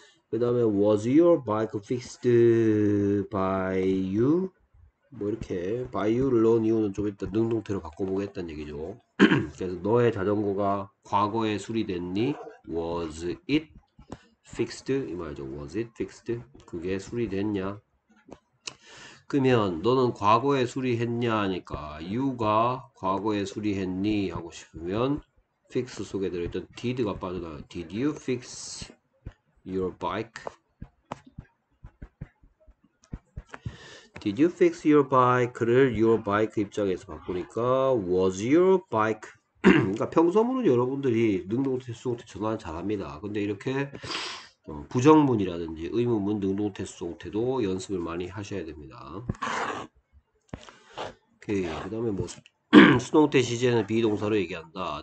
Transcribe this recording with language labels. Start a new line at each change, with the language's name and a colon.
Korean: 그 다음에
English: was your bike fixed by you?
Korean: 뭐 이렇게
English: by you
Korean: 를 넣은 이유는 좀 이따 능동태로 바꿔보겠다는 얘기죠. 그래서 너의 자전거가 과거에 수리됐니?
English: Was it fixed?
Korean: 이 말이죠.
English: Was it fixed?
Korean: 그게 수리됐냐? 그러면 너는 과거에 수리했냐 하니까 you가 과거에 수리했니? 하고 싶으면 fix 속에 들어있던 did가 빠져나와요.
English: Did you fix your bike? Did you fix your bike?를 your bike
Korean: 입장에서 바꾸니까
English: was your bike?
Korean: 그러니까 평소문은 여러분들이 능동태, 수동태 전환 잘합니다. 근데 이렇게 부정문이라든지 의문문, 능동태, 수동태도 연습을 많이 하셔야 됩니다. 오케이. 그 다음에 뭐 수동태 시제는 비동사로 얘기한다.